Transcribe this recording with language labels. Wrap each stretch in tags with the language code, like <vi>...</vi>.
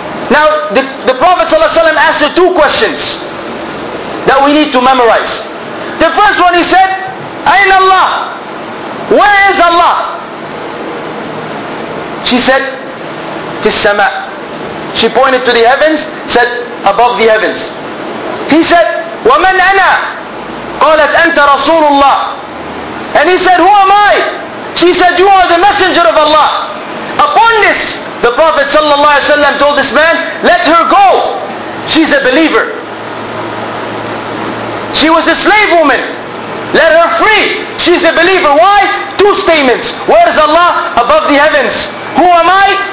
<en>Now the Prophet ﷺ asked her two questions that we need to memorize. The first one he said,</en> <ar>Ayn Allah?</ar> <en>Where is Allah? She said,</en> <ar>Fis sama.</ar> <en>She pointed to the heavens, said, above the heavens.</en> <ar>He said, وَمَنْ أَنَا؟ قَالَتْ أَنْتَ رَسُولُ اللَّهِ.</ar> <en>And he said, who am I? She said, you are the Messenger of Allah. Upon this, the Prophet ﷺ told this man, let her go. She's a believer. She was a slave woman. Let her free. She's a believer. Why? Two statements. Where is Allah? Above the heavens. Who am I?</en>